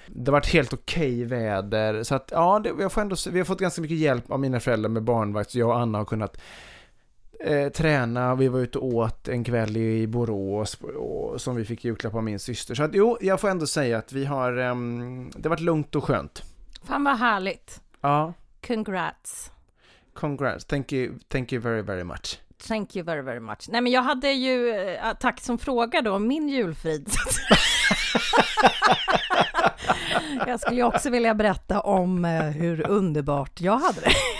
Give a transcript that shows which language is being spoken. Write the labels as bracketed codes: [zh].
[sv] Det var ett helt okej väder, så att ja, vi har fått ganska mycket hjälp av mina föräldrar med barnvakt, så jag och Anna har kunnat träna, vi var ute och åt en kväll i Borås och som vi fick julklapp av min syster, så att jo, jag får ändå säga att vi har det har varit lugnt och skönt. Fan vad härligt. Ja. [en] Congrats. Thank you very very much. Thank you very very much. [sv] Nej, men jag hade ju tack som fråga då, min julfrid. Jag skulle ju också vilja berätta om hur underbart jag hade det.